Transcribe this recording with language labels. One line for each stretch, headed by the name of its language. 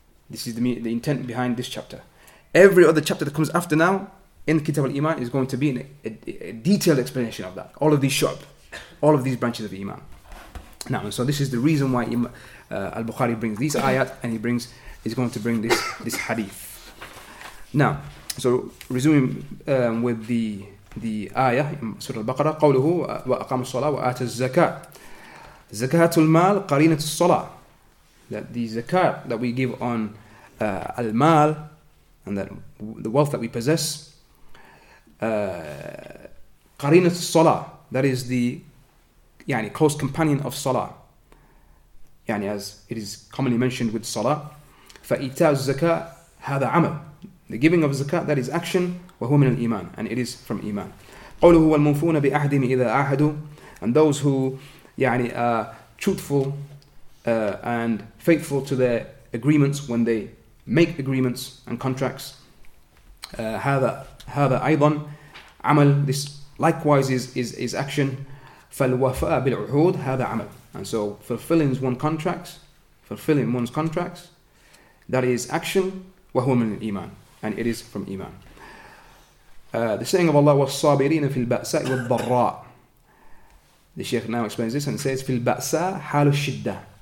English: This is the intent behind this chapter. Every other chapter that comes after now in Kitab al-Iman is going to be a detailed explanation of that. All of these shu'ab, all of these branches of Iman. Now, so this is the reason why al-Bukhari brings these ayat, and he brings, is going to bring this, this hadith. Now, so resuming with the ayah in Surah Al-Baqarah,
Arabic: قوله وأقام الصلاة وآت الزكاة زكاة المال قرينة الصلاة.
English: That the zakat that we give on al-mal, and that the wealth that we possess,
Arabic: قرينة الصلاة,
English: that is the يعني close companion of salah, يعني as it is commonly mentioned with salah.
Arabic: فإيتاء الزكاة هذا عمل.
English: The giving of zakat, that is action,
Arabic: وهو من الإيمان,
English: and it is from iman.
Arabic: قوله والموفون بأحدهم إذا أحدوا,
English: and those who يعني are truthful and faithful to their agreements when they make agreements and contracts.
Arabic: هذا أيضا عمل.
English: This likewise is action.
Arabic: فالوفاء بالعهود هذا عمل.
English: And so fulfilling one's contracts, that is action.
Arabic: وهو من الإيمان.
English: And it is from iman. The saying of Allah,
Arabic: وَالصَّابِرِينَ فِي الْبَأْسَاءِ وَالضَّرَّاءِ.
English: The Shaykh now explains this and says,
Arabic: فِي الْبَأْسَاءِ حَالُ الشِّدَّةِ.